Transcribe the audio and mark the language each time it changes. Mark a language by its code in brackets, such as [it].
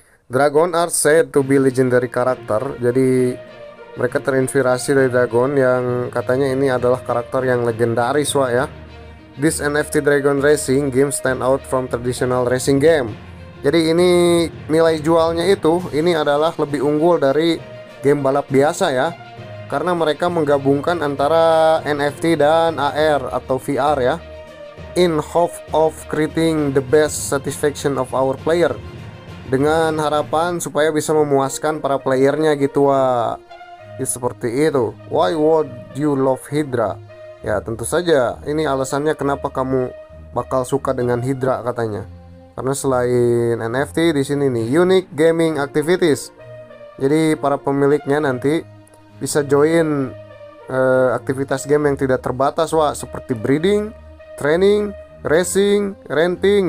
[en] Dragon are said to be legendary karakter. [id] Jadi mereka terinspirasi dari dragon yang katanya ini adalah karakter yang legendaris, Wak ya. [en] This NFT dragon racing game stand out from traditional racing game. [id] Jadi ini nilai jualnya itu, ini adalah lebih unggul dari game balap biasa ya. Karena mereka menggabungkan antara NFT dan AR atau VR ya. [en] In hope of creating the best satisfaction of our player, [id] dengan harapan supaya bisa memuaskan para playernya gitu, Wak. Ya, seperti itu. [en] Why would you love Hydra? [id] Ya, tentu saja ini alasannya kenapa kamu bakal suka dengan Hydra katanya. Karena selain NFT di sini nih, [en] unique gaming activities. [id] Jadi para pemiliknya nanti bisa join aktivitas game yang tidak terbatas, Wak, seperti breeding, training, racing, renting.